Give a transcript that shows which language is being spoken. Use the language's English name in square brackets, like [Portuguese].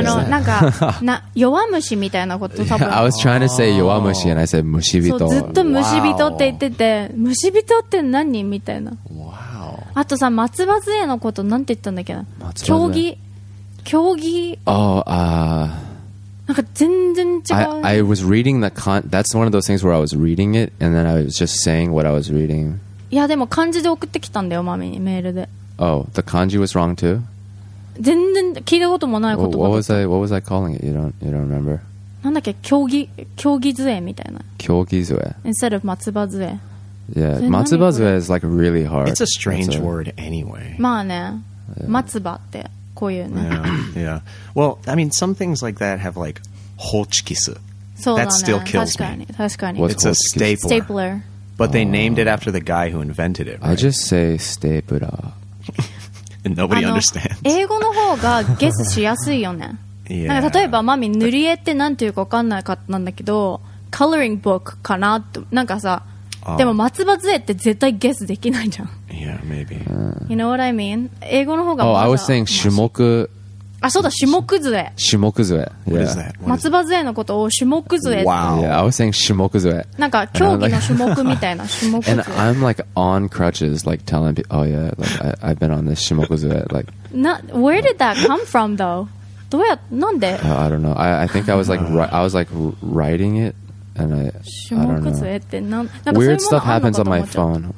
[Japanese] あの、なんか、弱虫みたいなこと、多分。 [English] I was trying to say 弱虫 and I said 虫人。 [Japanese] そう、ずっと虫人って言ってて、虫人って何みたいな。 [English] Wow. [Japanese] あとさ、松葉杖のことなんて言ったんだっけな。松葉杖。競技。 [English] Oh, [Japanese] なんか全然違う。 [English] I was reading the that's one of those things where I was reading it and then I was just saying what I was reading. [Japanese] いやでも漢字で送ってきたんだよマミにメールで。 [English] Oh, the kanji was wrong too? [Japanese] 全然聞いたこともない言葉。 [English] What was I calling it? You don't remember? [Japanese] なんだっけ競技杖みたいな。競技杖。 [English] Instead of 松葉杖。 Yeah, 松葉杖 is like really hard. It's a strange word anyway. [Japanese] まあね、yeah. 松葉って。 [English] Yeah. Well, I mean, some things like that have like hochkisu. That still kills me. It's a stapler. But they named it after the guy who invented it, right? I just say stapler. And nobody understands. [Japanese] 英語の方がゲスしやすいよね。なんか例えばマミ塗り絵ってなんていうか分かんなかったんだけど、coloring book かなと、なんかさ、でも松葉杖って絶対ゲスできないじゃん。 [English] Yeah, maybe. You know what I mean? [Japanese] 英語の方が。 [English] Oh, I was saying 種目。 [Japanese] あ、そうだ、種目杖。種目杖。 [English] What is that? [Japanese] 松葉杖のことを種目杖って。 [English] Wow. Yeah, I was saying 種目杖。 [Japanese] なんか競技の種目みたいな種目杖。 [English] And I'm like on crutches, like telling people, oh yeah, like I've been on this 種目杖. Like, where did that come from, though? [Japanese] どうや、なんで？ [English] I don't know. I think I was like writing it. And I don't know. Weird stuff happens on my phone.